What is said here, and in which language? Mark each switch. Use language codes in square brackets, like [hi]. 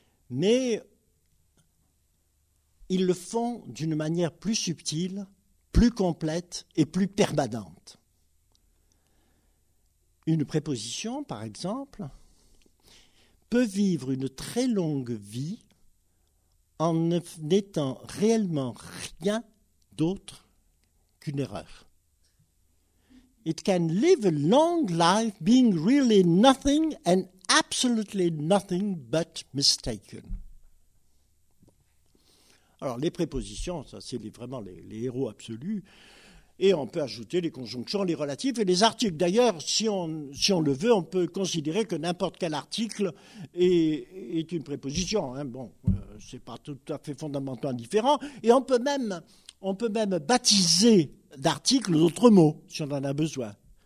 [fr] Mais ils le font d'une manière plus subtile, plus complète et plus permanente. Une préposition, par exemple, peut vivre une très longue vie en n'étant réellement rien d'autre qu'une erreur. [en] It can live a long life being really nothing and absolutely nothing but mistaken. [fr] Alors, les prépositions, ça, c'est vraiment les héros absolus. Et on peut ajouter les conjonctions, les relatifs et les articles. D'ailleurs, si on le veut, on peut considérer que n'importe quel article est une préposition. Hein. Bon, ce n'est pas tout à fait fondamentalement différent. Et on peut même baptiser d'articles d'autres mots, si on en a besoin.